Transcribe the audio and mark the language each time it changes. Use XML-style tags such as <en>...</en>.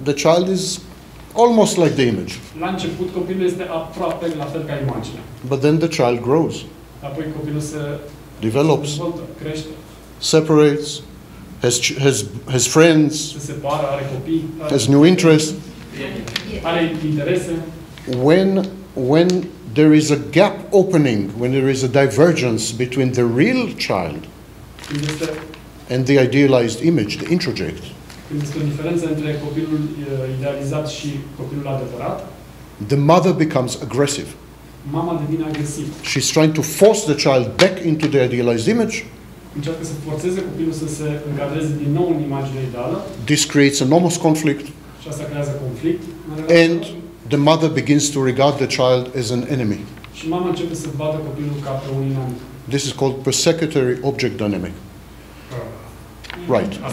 <en>the child is almost like the image.</en> <ro>La început, copilul este aproape la fel ca imaginea.</ro> <en>But then the child grows.</en> <ro>Apoi copilul se</ro> <en>develops.</en> <ro>Crește.</ro> <en>Separates. Has friends.</en> <ro>Se separă, are copii.</ro> <en>Has new interests.</en> <ro>Are interese.</ro> <en>When there is a gap opening, when there is a divergence between the real child and the idealized image, the introject.</en> <ro>Când este o diferență între copilul idealizat și copilul adevărat,</ro> <en>the mother becomes aggressive.</en> <ro>Mama devine agresivă.</ro> <en>She's trying to force the child back into the idealized image.</en> <ro>Încearcă să forțeze copilul să se încadreze din nou în imaginea ideală.</ro> <en>This creates enormous conflict.</en> <ro>Și asta creează conflict.</ro> <en>And the mother begins to regard the child as an enemy.</en> <ro>Și mama începe să vadă copilul ca pe un inamic.</ro> <en>This is called persecutory object dynamic. Right.</en>